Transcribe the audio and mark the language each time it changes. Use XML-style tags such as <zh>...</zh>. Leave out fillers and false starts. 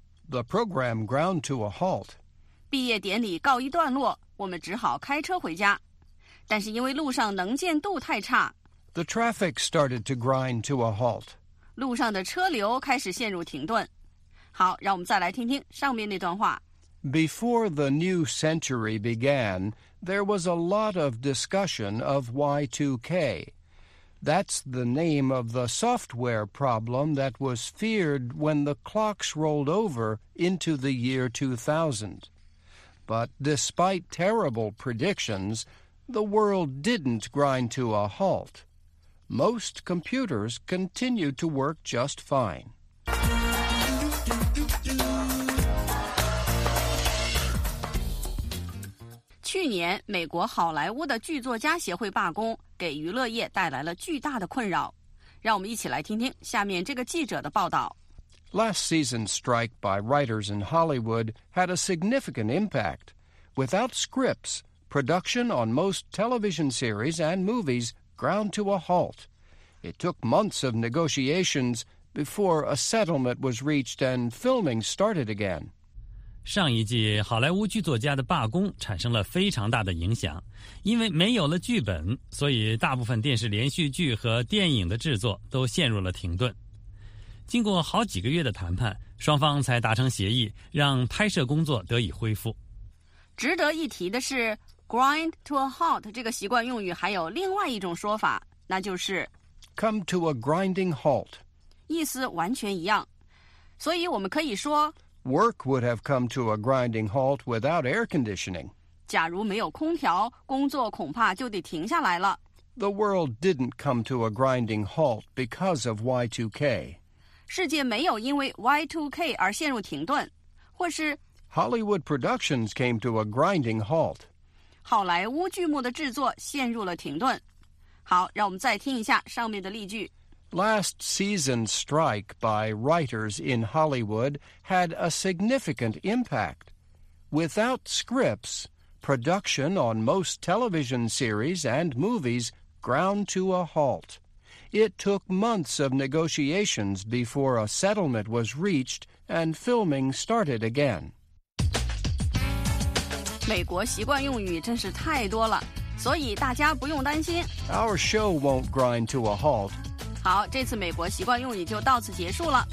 <en>，The program ground to a halt.</en> <zh>毕业典礼告一段落，我们只好开车回家。但是因为路上能见度太差</zh> <en>，The traffic started to grind to a halt.</en> <zh>路上的车流开始陷入停顿。好，让我们再来听听上面那段话。</zh> <en>Before the new century began, There was a lot of discussion of Y2K. That's the name of the software problem that was feared when the clocks rolled over into the year 2000. But despite terrible predictions, the world didn't grind to a halt. Most computers continued to work just fine.</en> <zh>年美国好莱坞的剧作家协会罢工给娱乐业带来了巨大的困扰。让我们一起来听听下面这个记者的报道。</zh> <en>Last season's strike by writers in Hollywood had a significant impact. Without scripts, production on most television series and movies ground to a halt. It took months of negotiations before a settlement was reached and filming started again.</en> <zh>上一季好莱坞剧作家的罢工产生了非常大的影响，因为没有了剧本，所以大部分电视连续剧和电影的制作都陷入了停顿。经过好几个月的谈判，双方才达成协议，让拍摄工作得以恢复。值得一提的是 grind to a halt 这个习惯用语还有另外一种说法，那就是</zh> <en>come to a grinding halt，</en> <zh>意思完全一样，所以我们可以说</zh> <en>Work would have come to a grinding halt without air conditioning.</en> <zh>假如没有空调，工作恐怕就得停下来了。</zh> <en>The world didn't come to a grinding halt because of Y2K.</en> <zh>世界没有因为 Y2K 而陷入停顿，或是</zh> <en>Hollywood productions came to a grinding halt.</en> <zh>好莱坞剧目的制作陷入了停顿。好，让我们再听一下上面的例句。</zh> <en>Last season's strike by writers in Hollywood had a significant impact. Without scripts, production on most television series and movies ground to a halt. It took months of negotiations before a settlement was reached and filming started again.</en> <zh>美国习惯用语真是太多了，所以大家不用担心。</zh> <en>Our show won't grind to a halt.</en> <zh>好，这次美国习惯用语就到此结束了。</zh>